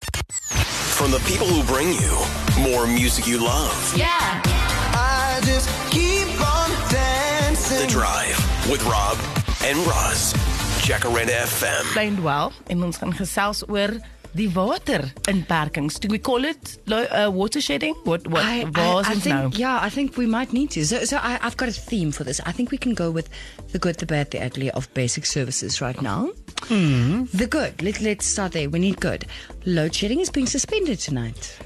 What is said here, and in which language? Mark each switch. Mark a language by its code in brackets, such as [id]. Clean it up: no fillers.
[en] from the people who bring you more music you love. Yeah. I just keep on dancing. The Drive with Rob and Roz. Jacaranda FM. Blind well. [af] En ons gaan gesels oor die waterinperkings. [en] Do we call it water shedding? What was it now? Yeah, I think we might need to. So I've got a theme for this. I think we can go with the good, the bad, the ugly of basic services right now. The good. Let's start there. We need good. Load shedding is being suspended tonight.